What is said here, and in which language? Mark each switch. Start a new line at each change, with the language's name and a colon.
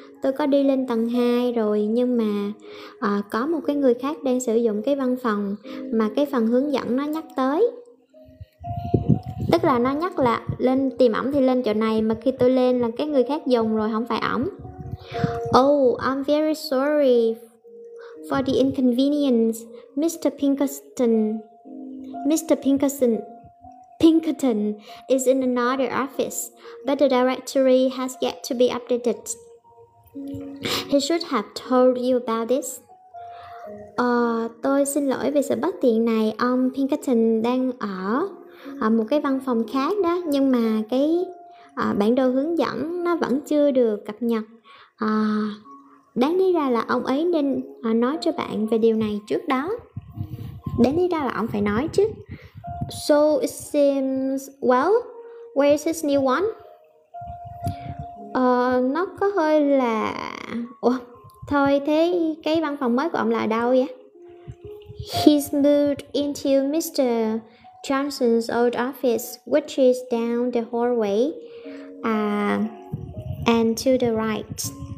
Vietnamese: Tôi có đi lên tầng 2 rồi, nhưng mà có một cái người khác đang sử dụng cái văn phòng mà cái phần hướng dẫn nó nhắc tới. Tức là nó nhắc là lên tìm ổng thì lên chỗ này, mà khi tôi lên là cái người khác dùng rồi, không phải ổng.
English: Oh, I'm very sorry for the inconvenience, Mr. Pinkerton. Mr. Pinkerton is in another office, but the directory has yet to be updated. He should have told you about this.
Vietnamese: Tôi xin lỗi về sự bất tiện này. Ông Pinkerton đang ở một cái văn phòng khác đó, nhưng mà cái bản đồ hướng dẫn nó vẫn chưa được cập nhật. Đáng lý ra là ông ấy nên nói cho bạn về điều này trước đó. Đáng lý ra là ông phải nói chứ.
English: So it seems, well, where is his new one?
Vietnamese: Nó có hơi là... Ủa? Thôi thế cái văn phòng mới của ông là ở đâu vậy?
English: He's moved into Mr. Johnson's old office, which is down the hallway and to the right.